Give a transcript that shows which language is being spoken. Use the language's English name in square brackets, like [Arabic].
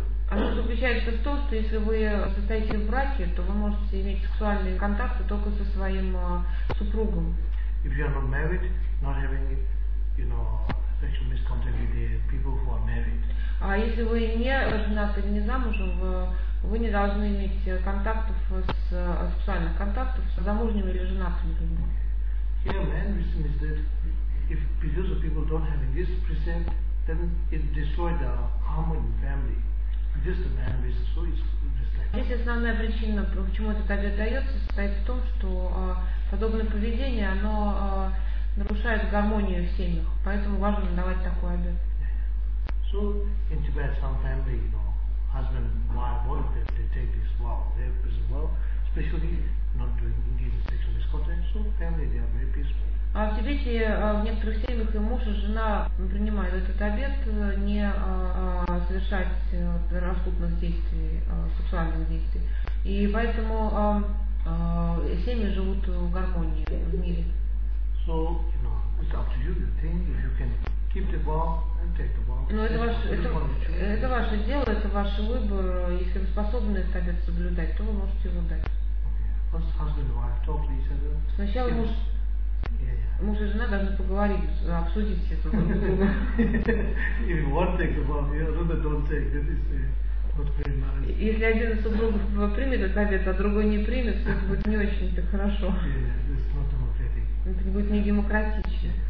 [Russian] Оно заключается в том, что если вы состоите в браке, то вы можете иметь сексуальные контакты только со своим супругом. [English] If you are not married, not having, sexual misconduct with the people who are married. [Russian] А если вы не женаты или не замужем, вы не должны иметь сексуальных контактов с замужними или женатыми людьми. [English] Here the main reason is that if because of people don't having this precept, then it destroys the harmony in family. This is the main reason. So it's just like. [Russian] Здесь основная причина, почему этот обет дается, состоит в том, что подобное поведение, оно нарушает гармонию в семьях. Поэтому важно давать такой обет. [English] So in Tibet, some family, husband, wife, one of them, they take this vow. They have this vow, especially not doing engaging sexual misconduct. So family, they are very peaceful. [Russian] А в Тибете в некоторых семьях и муж, и жена принимают этот обет не совершать распутных действий, сексуальных действий. И поэтому семьи живут в гармонии, в мире. [English] So, it's up to you, you think, if you can keep the vow and take the vow. [Russian] Но это ваше дело, это ваш выбор. Если вы способны этот обет соблюдать, то вы можете его дать. [English] First husband and wife talk to each other. [Russian] Сначала муж... Муж и жена должны поговорить, обсудить это. [English] Even one takes the vow, the other don't take. That is not very nice. [Russian] Если один из супругов примет этот обет, а другой не примет, то это будет не очень так хорошо. [English] It's not democratic. [Russian] Это будет не демократично.